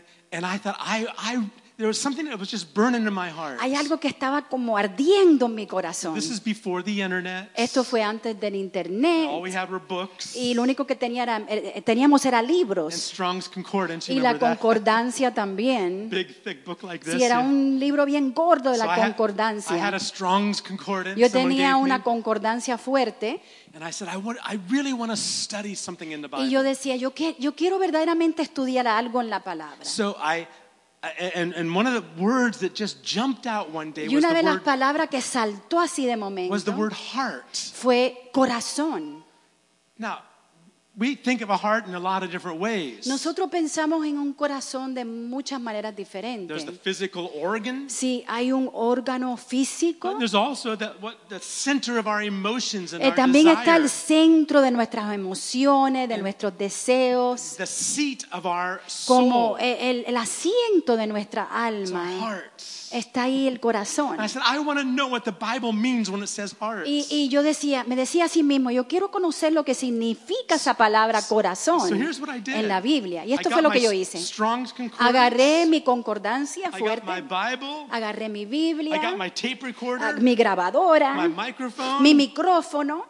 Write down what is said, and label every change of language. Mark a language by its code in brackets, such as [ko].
[en] And I thought I there was something that was just burning in my heart. [es] Hay algo que estaba como ardiendo en mi corazón. [en] This is before the internet. [es] Esto fue antes del internet. [en] All we had were books. [es] Y lo único que teníamos era libros. [en] And Strong's Concordance, you [es] y la concordancia [en] that? [es] También. [en] Big thick book like this. [es] Sí, era un libro bien gordo de la concordancia. [en] I had a Strong's Concordance. [es] Yo tenía una concordancia fuerte. [en] And I said, I really want to study something in the Bible. [es] Y yo decía, yo quiero verdaderamente estudiar algo en la palabra. [en] So And one of the words that just jumped out one day [es] y una [en] was the [es] de las [en] word, [es] palabras que saltó así de momento [en] was the word heart. [es] Fue corazón. [en] Now, We think of a heart in a lot of different ways. [es] Nosotros pensamos en un corazón de muchas maneras diferentes. [en] There's the physical organ. [es] Sí, hay un órgano físico. [en] But there's also the center of our emotions and our desires. [es] También está el centro de nuestras emociones, de nuestros deseos. [en] The seat of our soul. [es] Como el asiento de nuestra alma. [en] It's our heart. [es] Está ahí el corazón. [en] I said, I want to know what the Bible means when it says heart. [es] Y yo decía, me decía a sí mismo, yo quiero conocer lo que significa esa palabra corazón en la Biblia. Y esto fue lo que yo hice. Agarré mi concordancia fuerte. Agarré mi Biblia. Mi grabadora. Mi micrófono.